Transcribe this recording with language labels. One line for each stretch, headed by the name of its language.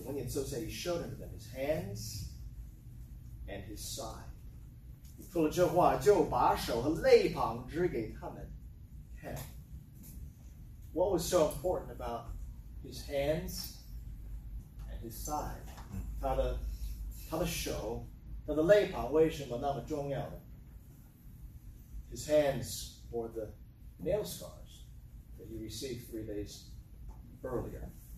English: When he had so said, he showed unto them his hands and his side.
Chinese: 说了这话，就把手和肋旁指给他们。
English: What was so important about his hands and his side?
Chinese: 他的手，他的肋旁为什么那么重要呢？
English: His hands bore the nail scars that he received 3 days earlier.